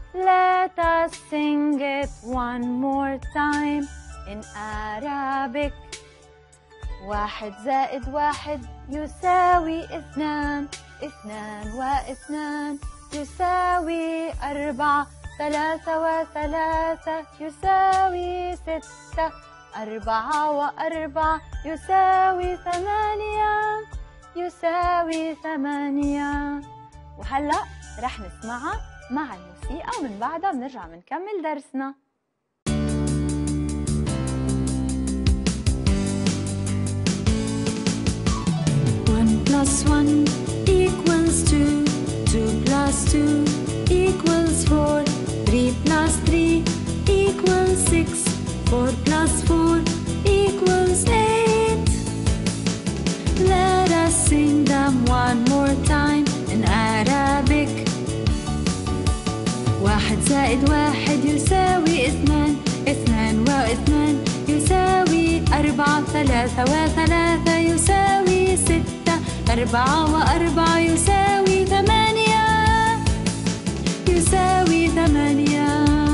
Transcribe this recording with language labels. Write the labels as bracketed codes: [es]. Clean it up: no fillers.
[en] Let us sing it one more time in Arabic. [ar] 1 زائد 1 يساوي 2, 2 و 2 يساوي 4, 3 و 3 يساوي 6, 4 و 4 يساوي 8, يساوي 8. وهلا رح نسمعها مع الموسيقى ومن بعدها بنرجع بنكمل درسنا. [en] One plus one equals two, two plus two equals four, three plus three equals six, four plus four equals eight. Let us sing them one more time in Arabic. [ar] واحد زائد واحد يساوي اثنان، اثنان واثنان يساوي أربعة، ثلاثة وثلاثة يساوي ستة، أربعة وأربعة يساوي ثمانية، يساوي ثمانية.